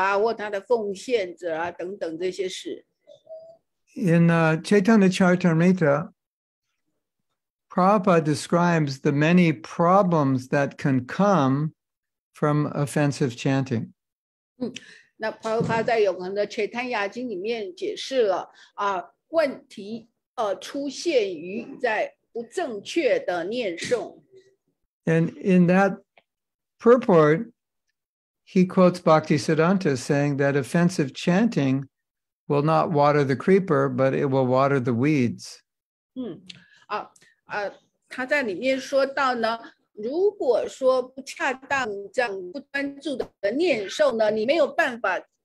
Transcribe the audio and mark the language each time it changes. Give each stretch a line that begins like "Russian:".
Chinese: 那我们可能会觉得，为什么呢？这个情况是造成其他次要或偏离的冒犯，比方说去亵渎主啊，或他的奉献者啊，等等这些事。
English: In Chaitanya Charitamrita, Prabhupada describes the many problems that can come from offensive chanting.
Chinese: 那Prabhupada在永恒的Chaitanya经里面解释了，问题出现于在不正确的念诵。
English: And in that purport, he quotes Bhaktisiddhanta saying that offensive chanting will not water the creeper, but it will water the weeds.
Chinese: 他在里面说到呢，如果说不恰当这样不专注的念诵呢，你没有办法